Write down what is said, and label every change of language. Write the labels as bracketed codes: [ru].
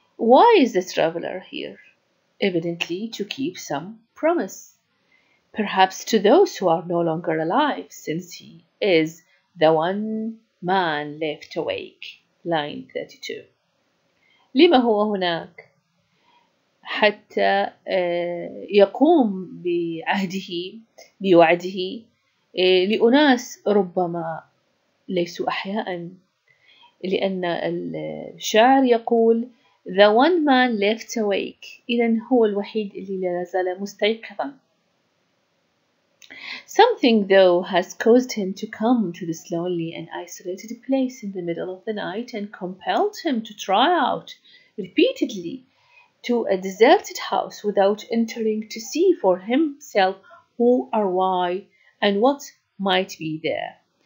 [en] Why is the traveler here? Evidently to keep some promise, perhaps to those who are no longer alive, since he is the one man left awake. Line 32. [ar] لما هو هناك؟ حتى يقوم بعهده, بوعده لأناس ربما ليسوا أحياء, لأن الشاعر يقول [en] The one man left awake, [ar] إذن هو الوحيد اللي لازال مستيقظا. [en] Something though has caused him to come to this lonely and isolated place in the middle of the night and compelled him to try out repeatedly to a deserted house without entering to see for himself who or why and what might be there.